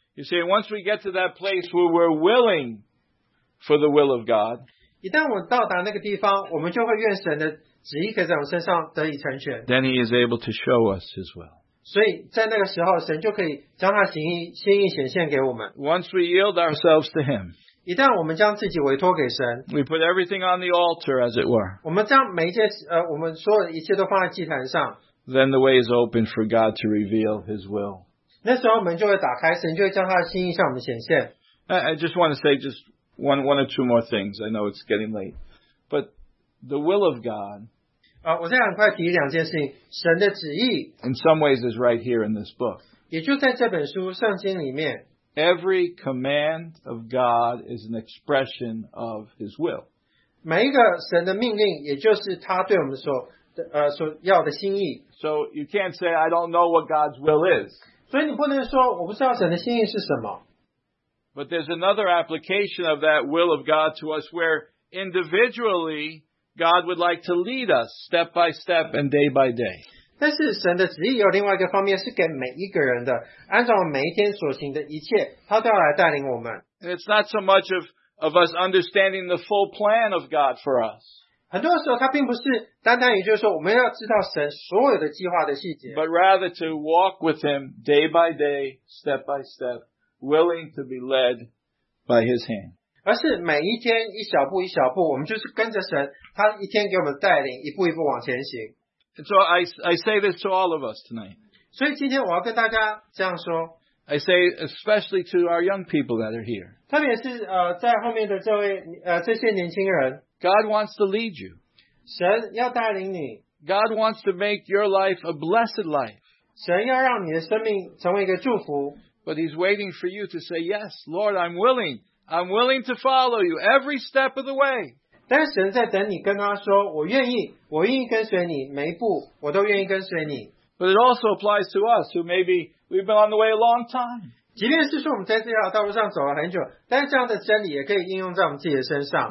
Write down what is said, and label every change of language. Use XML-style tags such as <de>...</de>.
<en>You see, once we get to that place where we're willing for the will of God,</en> <zh>一旦我到达那个地方，我们就会愿神的旨意可以在我们身上得以成全。</zh> <en>Then he is able to show us his will.</en> <zh>所以在那个时候，神就可以将他的心意显现给我们。</zh> <en>Once we yield ourselves to him,</en> <zh>一旦我们将自己委托给神，</zh> <en>we put everything on the altar, as it were,</en> <zh>我们将每一件我们所有的一切都放在祭坛上，</zh> <en>then the way is open for God to reveal his will.</en> <zh>那时候门就会打开，神就会将他的心意向我们显现。</zh> <en>I just want to say just one or two more things. I know it's getting late. But the will of God,</en> <zh>我再很快提两件事情。神的旨意</zh> <en>in some ways is right here in this book.</en> <zh>也就在这本书圣经里面。</zh> <en>Every command of God is an expression of his will.</en> <zh>每一个神的命令也就是他对我们所要的心意。</zh> <en>So you can't say, I don't know what God's will is.</en> <zh>所以你不能说我不知道神的心意是什么。</zh> <en>But there's another application of that will of God to us where individually God would like to lead us step by step and day by day.</en> <zh>但是神的旨意有另外一个方面是给每一个人的，按照我们每一天所行的一切，他都要来带领我们。</zh> <en>And it's not so much of us understanding the full plan of God for us.</en> <zh>很多时候他并不是单单也就是说我们要知道神所有的计划的细节。</zh> <en>But rather to walk with him day by day, step by step, willing to be led by his hand.</en> <zh>而是每一天一小步一小步，我们就是跟着神，他一天给我们带领，一步一步往前行。</zh> <en>And so I say this to all of us tonight.</en> <zh>所以今天我要跟大家这样说。</zh> <en>I say especially to our young people that are here.</en> <zh>特别是在后面的这位这些年轻人。</zh> <en>God wants to lead you.</en> <zh>神要带领你。</zh> <en>God wants to make your life a blessed life.</en> <zh>神要让你的生命成为一个祝福。</zh> <en>But he's waiting for you to say, yes, Lord, I'm willing. I'm willing to follow you every step of the way.</en> <zh>但神在等你跟他说，我愿意，我愿意跟随你，每一步我都愿意跟随你。</zh> <en>But it also applies to us who maybe we've been on the way a long time.</en> <zh>即便是说我们在这条道路上走了很久，但是这样的真理也可以应用在我们自己的身上。</zh>